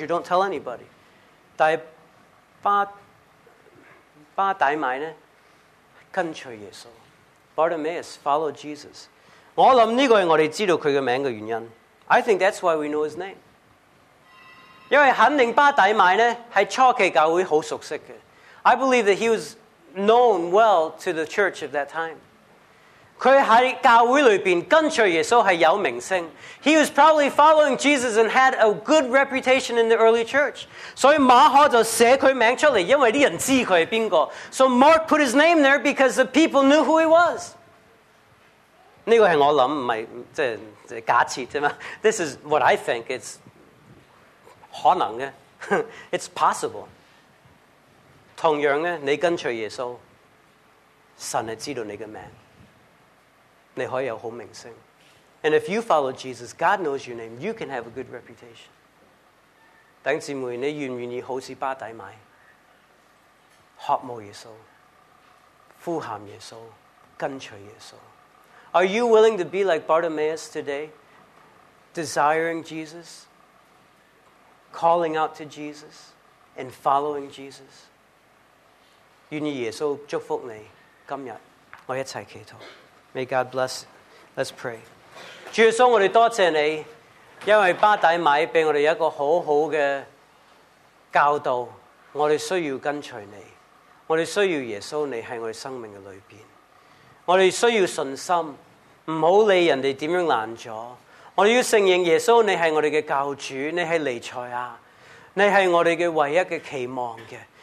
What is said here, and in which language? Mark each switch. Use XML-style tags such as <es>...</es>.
<en>You don't tell anybody.</en> <zh>但是巴大买呢，跟随耶稣。</zh> <en>Bartimaeus followed Jesus.</en> <zh>我想这个是我们知道他的名字的原因。</zh> <en>I think that's why we know his name.</en> <zh>因为肯定巴底买呢是初期教会很熟悉的。</zh> <en>I believe that he was known well to the church of that time.</en> <zh>他在教会里面跟随耶稣是有名声。</zh> <en>He was probably following Jesus and had a good reputation in the early church.</en> <zh>所以马可就写他的名字出来，因为这些人知道他是谁。</zh> <en>So Mark put his name there because the people knew who he was.</en> <zh>这个是我想，不是，就是，假设。</zh> <en>This is what I think. It's</en> <zh>可能的。</zh> <en>It's possible.</en> <zh>同样的，你跟随耶稣，神是知道你的名字，你可以有好名声。</zh> <en>And if you follow Jesus, God knows your name. You can have a good reputation.</en> <zh>弟兄姊妹，你愿不愿意好似巴底买，渴慕耶稣，呼喊耶稣，跟随耶稣？</zh> <en>Are you willing to be like Bartimaeus today, desiring Jesus, calling out to Jesus, and following Jesus?</en> <zh>愿意耶稣祝福你今日，我一齐祈祷。</zh> <en>May God bless. Let's pray.</en> <zh>主耶稣，我们多谢你，因为巴底买给我们一个很好的教导，我们需要跟随你，我们需要耶稣你在我们生命的里面，我们需要信心，不要理人家怎样拦阻，我们要承认耶稣你是我们的教主，你是弥赛亚，你是我们的唯一的期望的。</zh>